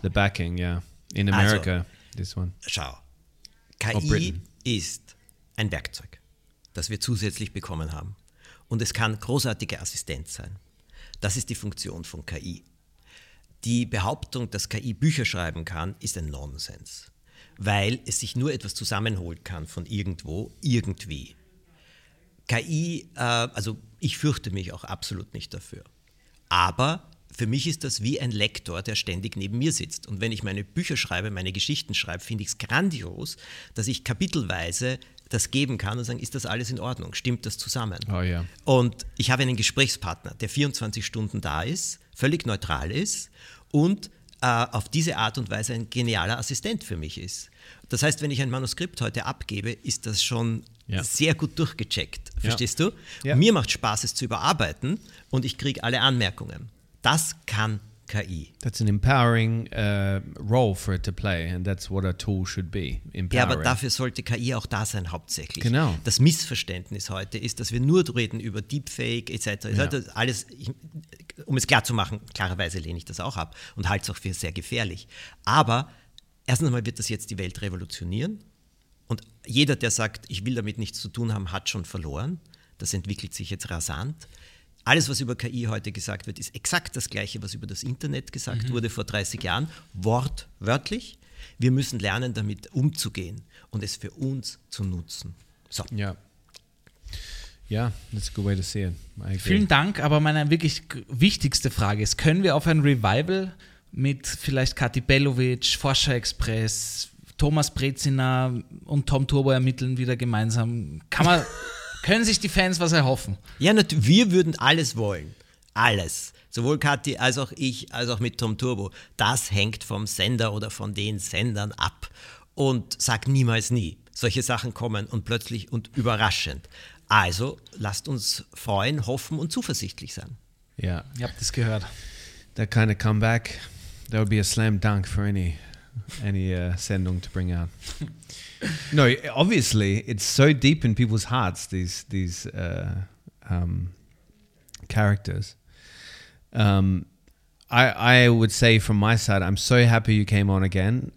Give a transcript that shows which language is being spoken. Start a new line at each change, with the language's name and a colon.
English: the backing, yeah, in America, also, this one.
German: Schau, KI ist ein Werkzeug, das wir zusätzlich bekommen haben und es kann großartige Assistenz sein. Das ist die Funktion von KI. Die Behauptung, dass KI Bücher schreiben kann, ist ein Nonsens, weil es sich nur etwas zusammenholen kann von irgendwo, irgendwie. KI, also ich fürchte mich auch absolut nicht dafür, aber für mich ist das wie ein Lektor, der ständig neben mir sitzt. Und wenn ich meine Bücher schreibe, meine Geschichten schreibe, finde ich es grandios, dass ich kapitelweise das geben kann und sagen, ist das alles in Ordnung? Stimmt das zusammen?
English: Oh, yeah.
German: Und ich habe einen Gesprächspartner, der 24 Stunden da ist, völlig neutral ist und auf diese Art und Weise ein genialer Assistent für mich ist. Das heißt, wenn ich ein Manuskript heute abgebe, ist das schon sehr gut durchgecheckt. Verstehst du? Yeah. Mir macht Spaß, es zu überarbeiten und ich kriege alle Anmerkungen. Das kann KI.
English: That's an empowering role for it to play and that's what a tool should be. Empowering.
German: Ja, aber dafür sollte KI auch da sein hauptsächlich. Genau. Das Missverständnis heute ist, dass wir nur reden über Deepfake etc. Alles, um es klar zu machen, klarerweise lehne ich das auch ab und halte es auch für sehr gefährlich. Aber erstens einmal wird das jetzt die Welt revolutionieren und jeder, der sagt, ich will damit nichts zu tun haben, hat schon verloren. Das entwickelt sich jetzt rasant. Alles, was über KI heute gesagt wird, ist exakt das Gleiche, was über das Internet gesagt wurde vor 30 Jahren, wortwörtlich. Wir müssen lernen, damit umzugehen und es für uns zu nutzen. So.
English: Ja, yeah, that's a good way to see it.
German: Vielen Dank, aber meine wirklich wichtigste Frage ist, können wir auf ein Revival mit vielleicht Kati Bellovic, Forscher Express, Thomas Brezina und Tom Turbo ermitteln wieder gemeinsam? Kann man... Können sich die Fans was erhoffen? Ja, wir würden alles wollen. Alles. Sowohl Kathi als auch ich, als auch mit Tom Turbo. Das hängt vom Sender oder von den Sendern ab. Und sag niemals nie. Solche Sachen kommen und plötzlich und überraschend. Also lasst uns freuen, hoffen und zuversichtlich sein. Ja, ihr habt es gehört.
English: That kind of comeback, that would be a slam dunk for any Sendung to bring out. No, obviously, it's so deep in people's hearts, these characters. I would say from my side, I'm so happy you came on again.